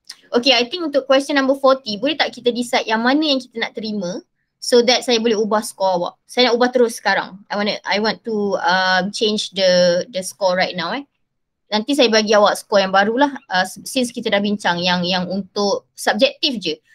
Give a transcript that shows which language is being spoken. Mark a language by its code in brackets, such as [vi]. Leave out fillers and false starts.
[ms] Okay, [en] I think [ms] untuk question number 40, boleh tak kita decide yang mana yang kita nak terima so that saya boleh ubah score awak. Saya nak ubah terus sekarang. [en] I want to change the score right now eh. [ms] Nanti saya bagi awak score yang barulah since kita dah bincang yang untuk subjektif je.